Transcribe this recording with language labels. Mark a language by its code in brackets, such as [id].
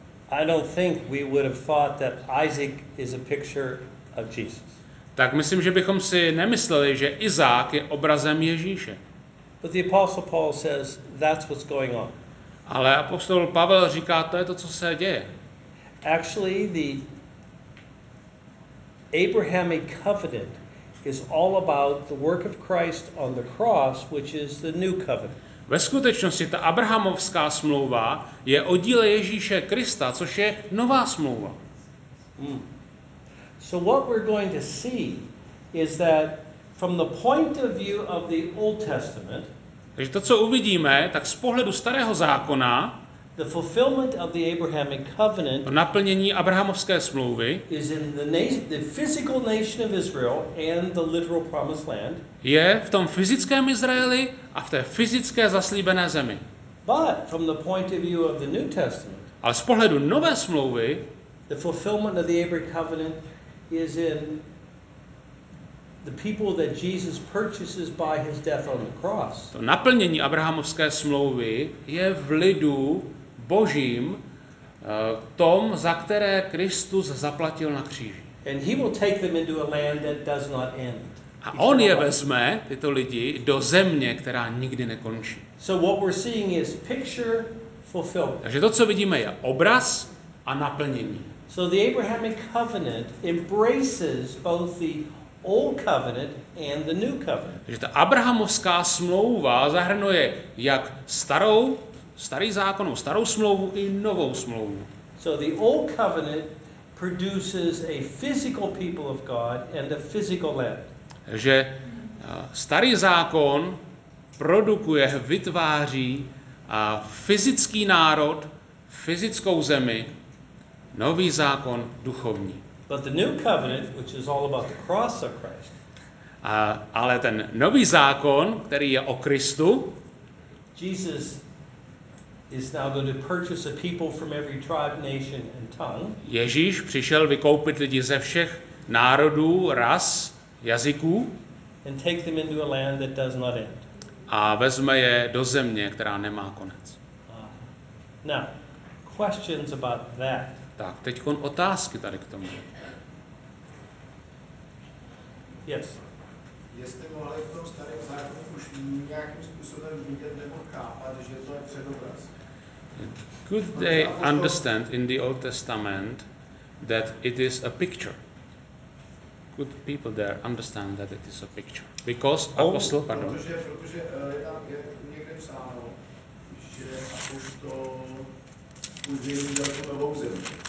[en] I don't think we would have thought that Isaac is a picture of Jesus. [cs] Tak myslím, že bychom si nemysleli, že Izák je obrazem Ježíše. [en] But the apostle Paul says that's what's going on. [cs] Ale apostol Pavel říká, to je to, co se děje. [en] Actually, the Abrahamic covenant is all about the work of Christ on the cross, which is the new covenant. [cs] Ve skutečnosti ta abrahamovská smlouva je o díle Ježíše Krista, což je nová smlouva. Hmm. [en] So what we're going to see is that from the point of view of the Old Testament, [cs] takže to, co uvidíme, tak z pohledu Starého zákona, [en] the fulfillment of the Abrahamic covenant, [cs] to naplnění abrahamovské smlouvy, [en] is in the physical nation of Israel and the literal promised land, [cs] je v tom fyzickém Izraeli a v té fyzické zaslíbené zemi. [en] But from the point of view of the New Testament, [cs] ale z pohledu nové smlouvy, [en] the fulfillment of the Abrahamic covenant is in the people that Jesus purchases by his death on the cross. [cs] To naplnění abrahamovské smlouvy je v lidu Božím, tom, za které Kristus zaplatil na kříži. [en] And he will take them into a land that does not end. [cs] A on je vezme, tyto lidi, do země, která nikdy nekončí. [en] So what we're seeing is picture fulfilled. [cs] Takže to, co vidíme, je obraz a naplnění. [en] So the Abrahamic covenant embraces both the Old covenant and the new covenant. [cs] Takže ta abrahamovská smlouva zahrnuje jak starý zákon, starou smlouvu i novou smlouvu. [en] So the old covenant produces a physical people of God and a physical land. [cs] Takže starý zákon produkuje, vytváří fyzický národ, fyzickou zemi, nový zákon duchovní. [en] But the new covenant, which is all about the cross of Christ. [cs] Ale ten nový zákon, který je o Kristu. [en] Jesus is now going to purchase a people from every tribe, nation and tongue. [cs] Ježíš přišel vykoupit lidi ze všech národů, ras, jazyků. [en] And take them into a land that does not end. [cs] A vezme je do země, která nemá konec. [en] Now, questions about that. [cs] Tak, teď otázky tady k tomu. [en] Yes. [cs] Jestli mohli v tom starém zákonu už nějakým způsobem vidět nebo chápat, že to je předobraz? [en] Could they understand in the Old Testament that it is a picture? Could people there understand that it is a picture? Because apostle, pardon. [cs] Protože je tam někde psáno, že apostol už vyvěděl tu novou zemi.